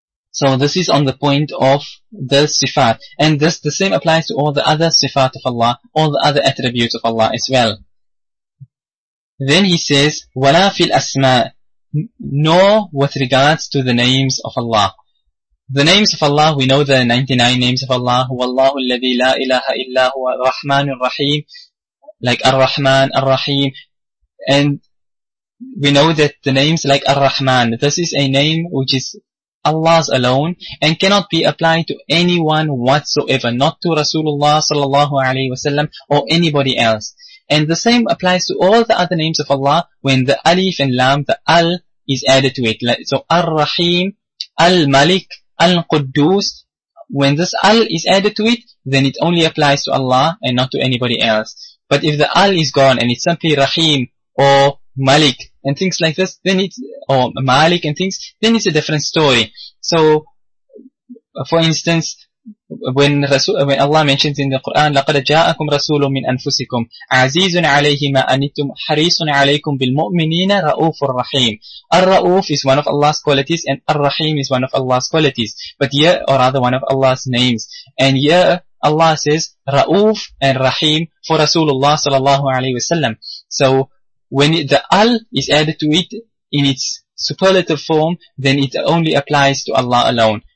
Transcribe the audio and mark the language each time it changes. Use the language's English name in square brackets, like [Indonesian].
[English] So this is on the point of the sifat. And this, the same applies to all the other sifat of Allah, all the other attributes of Allah as well. Then he says, [Arabic] وَلَا فِي الْأَسْمَاءِ, [English] nor with regards to the names of Allah. The names of Allah, we know the 99 names of Allah. [Arabic] هو الله الذي لا إله إلا هو الرحمن الرحيم, like Ar-Rahman, Ar-Rahim. [English] And we know that the names like Ar-Rahman, this is a name which is Allah's alone and cannot be applied to anyone whatsoever, not to Rasulullah sallallahu alayhi wasallam or anybody else. And the same applies to all the other names of Allah when the Alif and Lam, the Al, is added to it. So Ar-Rahim, Al-Malik, Al-Quddus, when this Al is added to it, then it only applies to Allah and not to anybody else. But if the Al is gone and it's simply Rahim or Malik and things like this, then it's, or Malik and things, then it's a different story. So, for instance, when Allah mentions in the Quran, [Arabic] لَقَدْ جَاءَكُمْ رَسُولٌ مِّنْ أَنفُسِكُمْ عَزِيزٌ عَلَيْهِ مَا أَنِتُمْ حَرِيصٌ عَلَيْكُمْ بِالْمُؤْمِنِينَ رَؤُوفٌ رَحِيمٌ. [English] Ar-Ra'uf is one of Allah's qualities and Ar-Rahim is one of Allah's qualities. But here, or rather one of Allah's names. And here, Allah says, Ra'uf and Rahim for Rasulullah sallallahu alayhi wa sallam. So, when the Al is added to it in its superlative form, then it only applies to Allah alone.